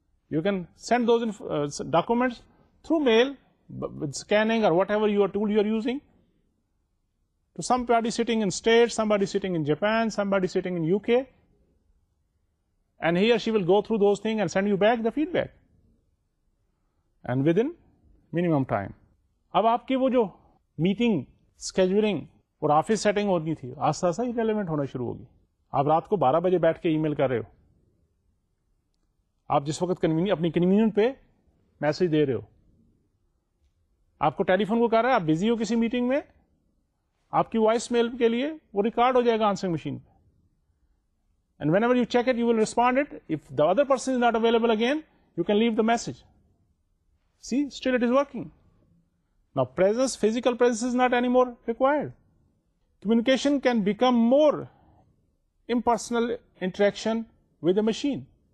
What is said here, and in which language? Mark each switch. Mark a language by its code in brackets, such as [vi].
[en] You can send those documents through mail with scanning or whatever your tool you are using to somebody sitting in States, somebody sitting in Japan, somebody sitting in UK, and he or she will go through those things and send you back the feedback, and within minimum time. [ur] Ab aapke wo jo meeting scheduling اور office setting ہونی تھی, آہستہ آہستہ relevant ہونا شروع ہوگی. آپ رات کو 12 بجے بیٹھ کے ای میل کر رہے ہو, آپ جس وقت اپنی کنوینئنٹ پہ میسج دے رہے ہو, آپ کو ٹیلی فون کو کہہ رہا ہے آپ بزی ہو کسی میٹنگ میں, آپ کی وائس میل کے لیے وہ ریکارڈ ہو جائے گا آنسرنگ مشین پہ. [en] And whenever you check it you will respond it, if the other person is not available again you can leave the message. See still it is working. Now presence, physical presence is not anymore required. Communication can become more impersonal interaction with a machine.